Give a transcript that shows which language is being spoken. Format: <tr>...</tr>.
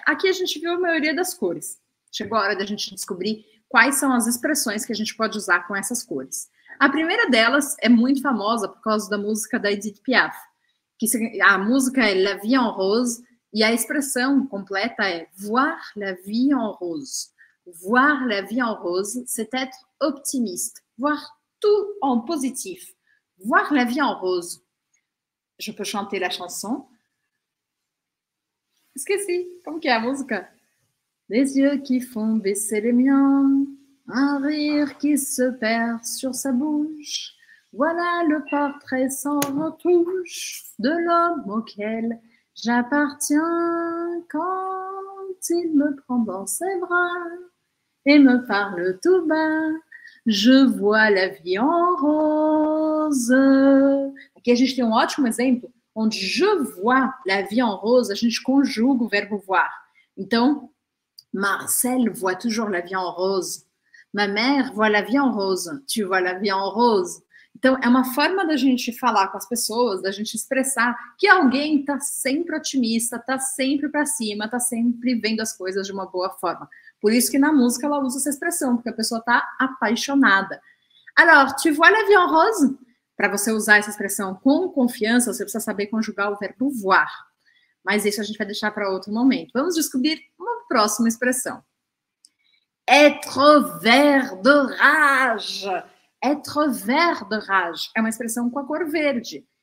<pt>Aqui a gente viu a maioria das cores. Chegou a hora da gente descobrir quais são as expressões que a gente pode usar com essas cores. A primeira delas é muito famosa por causa da música da Edith Piaf. Que a música é La Vie en Rose e a expressão completa é</pt> <fr>Voir la vie en rose. Voir la vie en rose, c'est être optimiste. Voir tout en positif. Voir la vie en rose. Je peux chanter la chanson?</fr> <pt>Esqueci. Como que é a música?</pt> <fr>Des yeux qui font baisser les miens, un rire qui se perd sur sa bouche. Voilà le portrait sans retouche de l'homme auquel j'appartiens quand il me prend dans ses bras. Et me parle tout bas, je vois la vie en rose.</fr> <pt>Aqui a gente tem um ótimo exemplo, onde</pt> <fr>je vois la vie en rose,</fr> <pt>a gente conjuga o verbo voir.</pt> <fr>Então, Marcel voit toujours la vie en rose. Ma mère voit la vie en rose. Tu vois la vie en rose.</fr> <pt>Então, é uma forma da gente falar com as pessoas, da gente expressar que alguém está sempre otimista, está sempre para cima, está sempre vendo as coisas de uma boa forma. Por isso que na música ela usa essa expressão, porque a pessoa está apaixonada.</pt> <fr>Alors, tu vois la vie en rose?</fr> <pt>Para você usar essa expressão com confiança, você precisa saber conjugar o verbo voir. Mas isso a gente vai deixar para outro momento. Vamos descobrir uma próxima expressão.</pt> <fr>Être vert de rage. Être vert de rage</fr> <pt>é uma expressão com a cor verde.</pt>